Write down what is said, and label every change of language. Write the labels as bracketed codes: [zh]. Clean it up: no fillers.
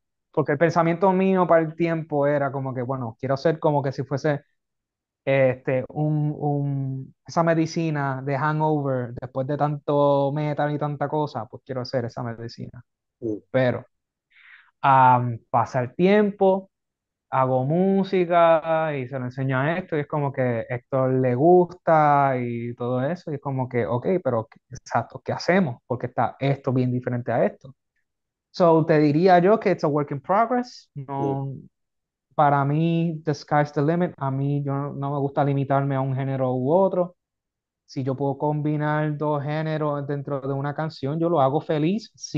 [es] Porque el pensamiento mío para el tiempo era como que, bueno, quiero hacer como que si fuese esa medicina de hangover después de tanto metal y tanta cosa, pues quiero hacer esa medicina. Pero pasa el tiempo, hago música y se lo enseño a esto, y es como que Héctor le gusta y todo eso, y es como que, ok, pero exacto, ¿qué hacemos? Porque está esto bien diferente a esto. [en] So, [es] te diría yo que [en] it's a work in progress. [es] No, para mí, [en] the sky's the limit. [es] A mí, yo no me gusta limitarme a un género u otro. Si yo puedo combinar dos géneros dentro de una canción, yo lo hago feliz.